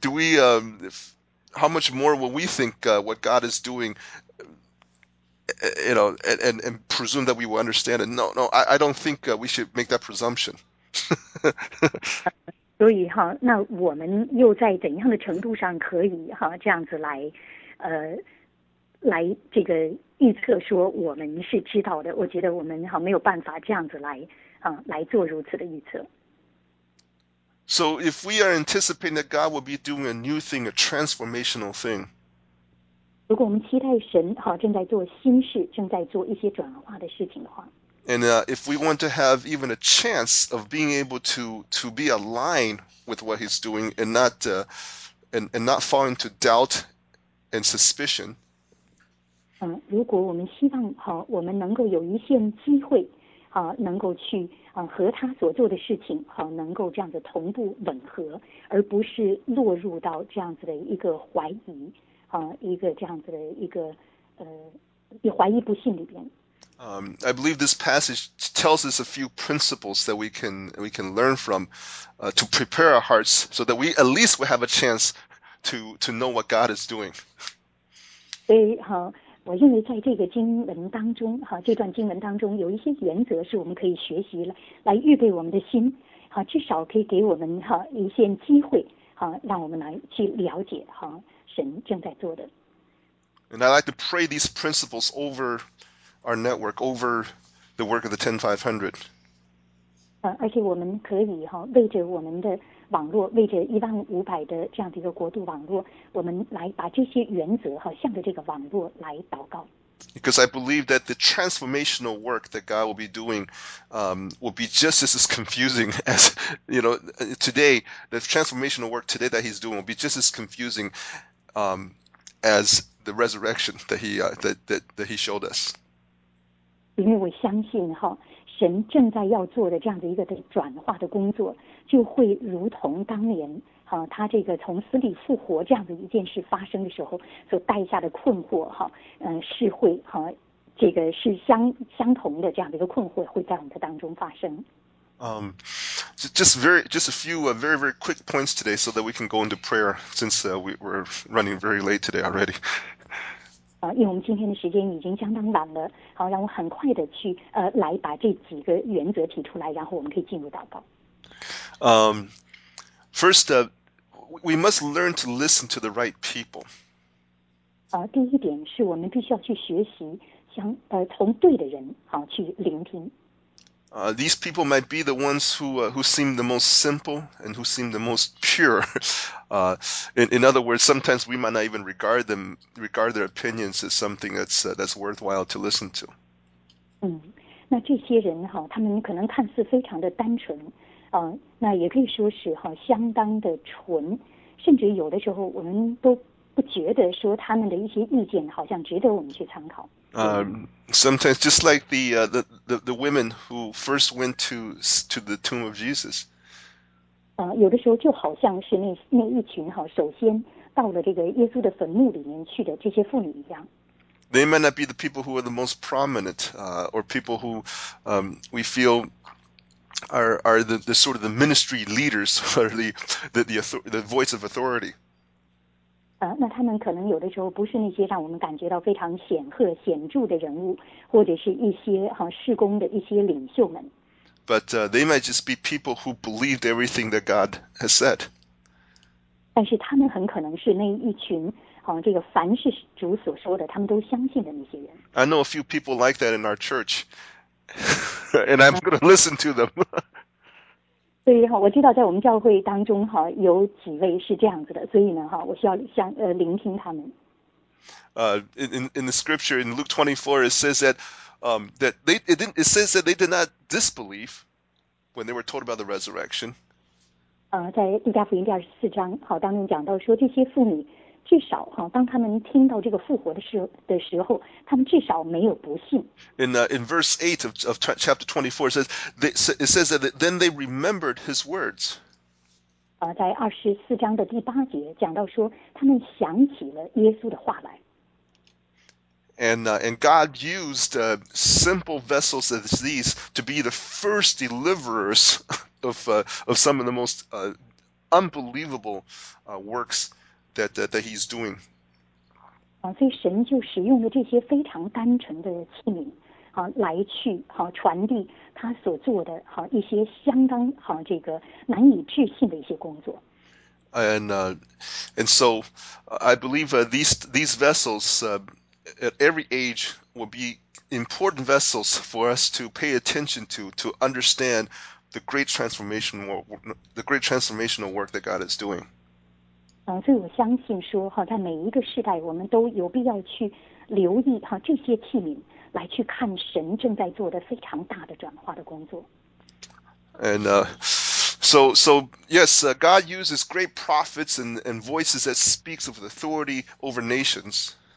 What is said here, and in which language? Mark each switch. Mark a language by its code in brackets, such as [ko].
[en] How much more will we think what God is doing, and presume that we will understand it? No, I don't think we should make that presumption. [zh] 所以那我们又在怎样的程度上可以这样子来这个预测说我们是知道的？我觉得我们没有办法这样子来做如此的预测。 [en] So if we are anticipating that God will be doing a new thing, a transformational thing, [zh] 如果我们期待神正在做新事，正在做一些转化的事情的话， [en] and if we want to have even a chance of being able to be aligned with what he's doing and not fall into doubt and suspicion, [zh] 如果我们希望我们能够有一线机会能够去和他所做的事情能够这样子同步吻合，而不是落入到这样子的一个怀疑一个这样子的一个怀疑不信里边。 [en] I believe this passage tells us a few principles that we can learn from to prepare our hearts so that we at least will have a chance to know what God is doing. [zh] 所以我认为在这个经文当中这段经文当中有一些原则是我们可以学习来预备我们的心至少可以给我们一些机会让我们来去了解神正在做的。 [en] And I'd like to pray these principles over our network, over the work of the 10500. [zh] 而且我们可以为着我们的网络，为着1500的这样的一个国度网络，我们来把这些原则向着这个网络来祷告。 [en] Because I believe that the transformational work that God will be doing, will be just as confusing as today. The transformational work today that He's doing will be just as confusing, as the resurrection that He He showed us. [zh] 因为我相信神正在要做的这样的一个的转化的工作，就会如同当年他这个从死里复活这样的一件事发生的时候所带下的困惑是会这个是相同的这样的一个困惑会在我们的当中发生。 [en] Just a few very, very quick points today so that we can go into prayer since we're running very late today already. [zh] 因为我们今天的时间已经相当晚了，好，让我很快的去来把这几个原则提出来，然后我们可以进入祷告。 [en] First, we must learn to listen to the right people. [zh] 第一点是我们必须要去学习想从对的人好去聆听。 [en] These people might be the ones who seem the most simple and who seem the most pure. In other words, sometimes we might not even regard their opinions as something that's worthwhile to listen to. [zh] 那这些人哈，他们可能看似非常的单纯，那也可以说是哈相当的纯，甚至有的时候我们都不觉得说他们的一些意见好像值得我们去参考。 [en] Sometimes, just like the women who first went to the tomb of Jesus. [zh] 有的时候就好像是那一群哈，首先到了这个耶稣的坟墓里面去的这些妇女一样。 [en] They might not be the people who are the most prominent, or people who, we feel are the sort of the ministry leaders or the voice of authority. [zh] 那他们可能有的时候不是那些让我们感觉到非常显赫显著的人物，或者是一些哈事工的一些领袖们。 [en] But they might just be people who believed everything that God has said. [zh] 但是他们很可能是那一群哈这个凡是主所说的他们都相信的那些人。 [en] I know a few people like that in our church, and I'm going to listen to them. [zh] 所以我知道在我们教会当中有几位是这样子的，所以呢我需要聆听他们。 [en] In the scripture in Luke 24 it says that they did not disbelieve when they were told about the resurrection. [zh] 在路加福音第二十四章当中讲到说这些妇女至少当他们听到这个复活的时候他们至少没有不信。 [en] In verse 8 of chapter 24 it says that then they remembered his words. [zh] 在24章的第八节讲到说他们想起了耶稣的话来。 [en] And God used simple vessels as these to be the first deliverers of some of the most unbelievable works that he's doing. [zh] 所以神就使用了这些非常单纯的器皿来去传递他所做的一些相当这个难以置信的一些工作。 [en] And so I believe these vessels at every age will be important vessels for us to pay attention to understand the great transformational work that God is doing. [zh] 所以我相信说在每一个世代我们都有必要去留意这些器皿来去看神正在做的非常大的转化的工作。 [en] And so, God uses great prophets and voices that speaks of authority over nations.